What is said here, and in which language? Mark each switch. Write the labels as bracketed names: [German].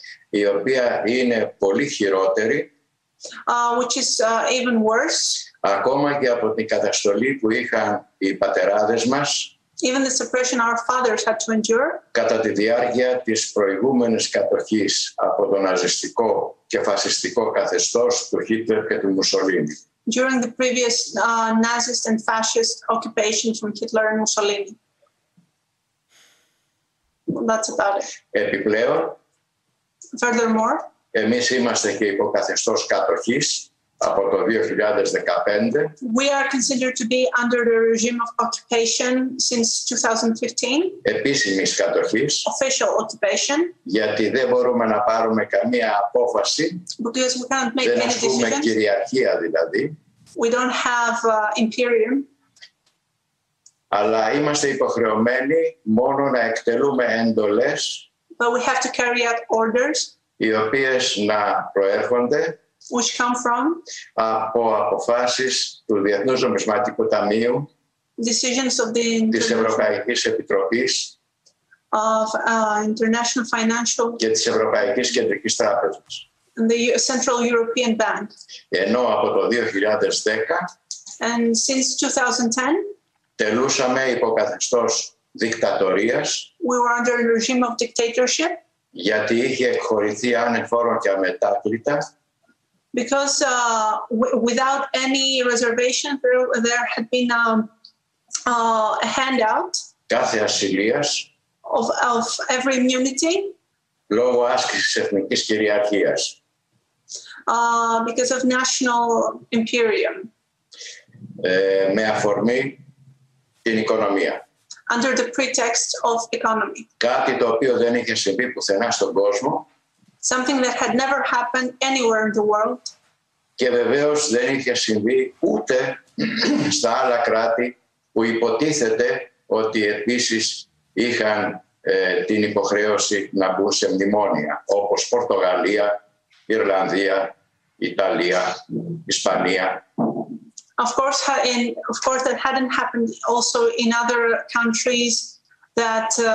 [Greek] Η οποία είναι πολύ χειρότερη. [English] Which is even worse. [Greek] Ακόμα και από την καταστολή που είχαν οι πατεράδες μας. [English] Even the suppression our fathers had to endure. [Greek] Κατά τη διάρκεια της προηγούμενης κατοχής από το ναζιστικό και φασιστικό καθεστώς του Χίτλερ και του Μουσολίνη. [English] During the previous Nazist and fascist occupations from Hitler and Mussolini. That's about it. [Greek] Επιπλέον. [English] Furthermore. [Greek] Εμείς είμαστε και υποκαθεστώς κατοχής από το 2015. [English] We are considered to be under the regime of occupation since 2015. [Greek] Επίσημης κατοχής. [English] Official occupation. [Greek] Γιατί δεν μπορούμε να πάρουμε καμία απόφαση. [English] Because we can't make [Greek] δεν [English] any decision. [Greek] Δεν ασκούμε κυριαρχία δηλαδή. [English] We don't have imperium. [Greek] Αλλά είμαστε υποχρεωμένοι μόνο να εκτελούμε εντολές. [English] But we have to carry out orders. [Greek] Οι οποίες να προέρχονται. [English] Which come from. [Greek] Από αποφάσεις του Διεθνούς Νομισματικού Ταμείου. [English] Decisions of the [Greek] της Ευρωπαϊκής Επιτροπής. [English] Of International Financial. [Greek] Και της Ευρωπαϊκής Κεντρικής Τράπεζας. [English] The Central European Bank. [Greek] Ενώ από το 2010. [English] And since 2010. [Greek] Τελούσαμε υποκαθεστώς δικτατορίας. [English] We were under a regime of dictatorship. [Greek] Γιατί είχε εκχωρηθεί ανεφόρον και αμετάκλητα. [English] Because without any reservation there had been a handout. [Greek] Κάθε ασυλίας. [English] Of every immunity. [Greek] Λόγω άσκησης εθνικής κυριαρχίας. [English] Because of national imperium. [Greek] Με αφορμή. Την οικονομία. [English] Under the pretext of economy. [Greek] Κάτι το οποίο δεν είχε συμβεί πουθενά στον κόσμο. [English] Something that had never happened anywhere in the world. [Greek] Και βεβαίως δεν είχε συμβεί ούτε στα άλλα κράτη που υποτίθεται ότι επίσης είχαν την υποχρέωση να μπουν σε μνημόνια, όπως Πορτογαλία, Ιρλανδία, Ιταλία, Ισπανία. [English] Of course, that hadn't happened also in other countries that